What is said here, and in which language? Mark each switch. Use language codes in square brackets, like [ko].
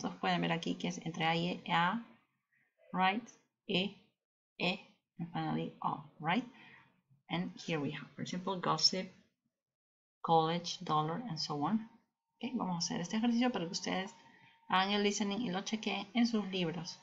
[es] Entonces pueden ver aquí que es entre A y A. [en] Right? E, E. And finally, O. Right? And here we have, for example, gossip, college, dollar, and so on. [es] Okay, vamos a hacer este ejercicio para que ustedes hagan el listening y lo chequeen en sus libros.